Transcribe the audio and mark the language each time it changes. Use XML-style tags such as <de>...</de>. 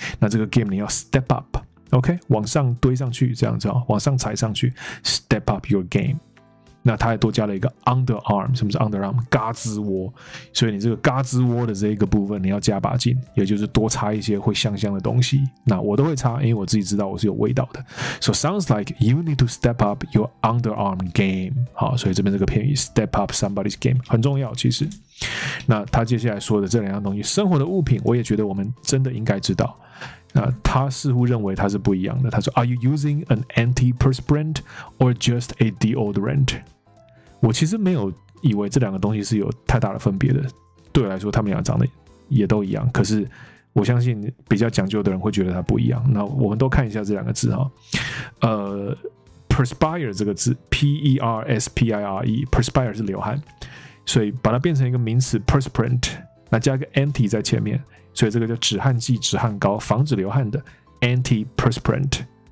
<zh>那这个 game 你要 step up， OK， 往上堆上去这样子，往上踩上去， step up your game。那他还多加了一个 underarm， 什么是 underarm？ 嘎吱窝。所以你这个嘎吱窝的这个部分你要加把劲，也就是多擦一些会香香的东西。那我都会擦，因为我自己知道我是有味道的。</zh> <en>So sounds like you need to step up your underarm game。</en> <zh>好，所以这边这个片语 step up somebody's game 很重要其实。那他接下来说的这两样东西，生活的物品，我也觉得我们真的应该知道。那他似乎认为他是不一样的，他说 Are you using an antiperspirant or just a deodorant？我其实没有以为这两个东西是有太大的分别的，对我来说他们俩长得也都一样，可是我相信比较讲究的人会觉得它不一样。那我们都看一下这两个字哈，perspire 这个字 P-E-R-S-P-I-R-E， perspire 是流汗，所以把它变成一个名词 perspirant， 那加一个 anti 在前面，所以这个叫止汗剂、止汗膏，防止流汗的 antiperspirant。</zh>